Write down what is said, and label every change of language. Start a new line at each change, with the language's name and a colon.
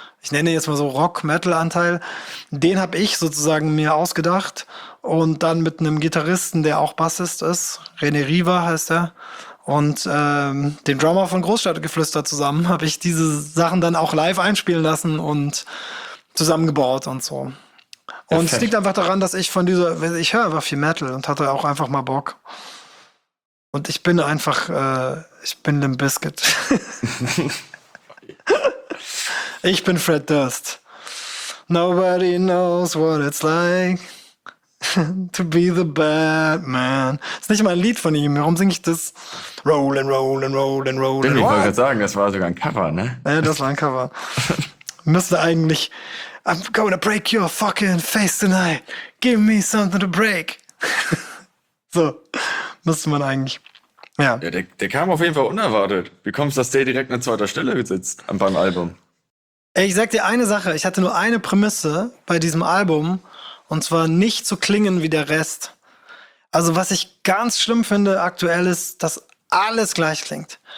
German: ich nenne jetzt mal so Rock-Metal-Anteil, den habe ich sozusagen mir ausgedacht und dann mit einem Gitarristen, der auch Bassist ist, René Riva heißt er, und den Drummer von Großstadtgeflüster zusammen habe ich diese Sachen dann auch live einspielen lassen und zusammengebaut und so. Und es Perfekt. liegt einfach daran, dass ich von dieser, ich höre einfach viel Metal und hatte auch einfach mal Bock. Und ich bin einfach, ich bin Limp Bizkit. Ich bin Fred Durst.
English: Nobody knows what it's like to be the Batman.
German: Ist nicht mal ein Lied von ihm. Warum singe ich das?
English: Rollin', rollin', rollin',
German: Stimmt, ich wollte gerade
English: rollin'.
German: sagen, das war sogar ein Cover, ne? Ja, das war ein Cover. Müsste eigentlich.
English: I'm gonna break your fucking face tonight. Give me something to break.
German: So, müsste man eigentlich. Ja. Ja, der kam auf jeden Fall unerwartet. Wie kommt es, dass der direkt an zweiter Stelle sitzt beim Album? Ich sag dir eine Sache, ich hatte nur eine Prämisse bei diesem Album, und zwar nicht zu klingen wie der Rest. Also, was ich ganz schlimm finde aktuell ist, dass alles gleich klingt.